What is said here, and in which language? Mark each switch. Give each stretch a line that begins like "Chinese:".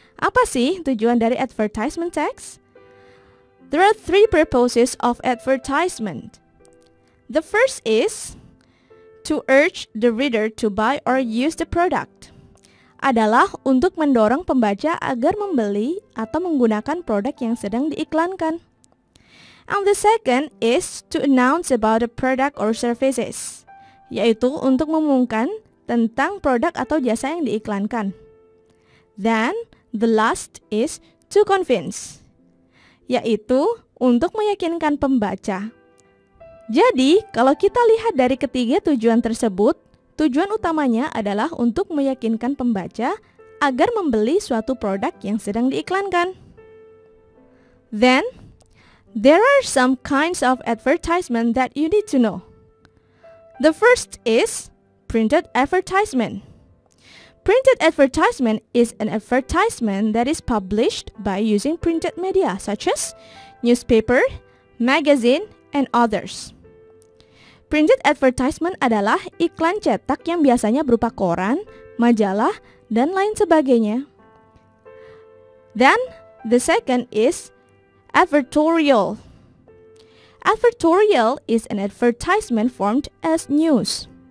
Indonesian: Apa sih tujuan dari advertisement text?
English: There are three purposes of advertisement. The first is to urge the reader to buy or use the product.
Indonesian: Adalah untuk mendorong pembaca agar membeli atau menggunakan produk yang sedang diiklankan.
English: And the second is to announce about the product or services,
Indonesian: yaitu untuk mengumumkan tentang produk atau jasa yang diiklankan.
English: Then, the last is to convince,
Indonesian: yaitu untuk meyakinkan pembaca. Jadi, kalau kita lihat dari ketiga tujuan tersebut, tujuan utamanya adalah untuk meyakinkan pembaca agar membeli suatu produk yang sedang diiklankan.
English: Then, there are some kinds of advertisement that you need to know. The first is printed advertisement. Printed advertisement is an advertisement that is published by using printed media such as newspaper, magazine, and others.
Indonesian: Printed advertisement adalah iklan cetak yang biasanya berupa koran, majalah, dan lain sebagainya.
English: Then, the second is advertorial. Advertorial is an advertisement formed as news.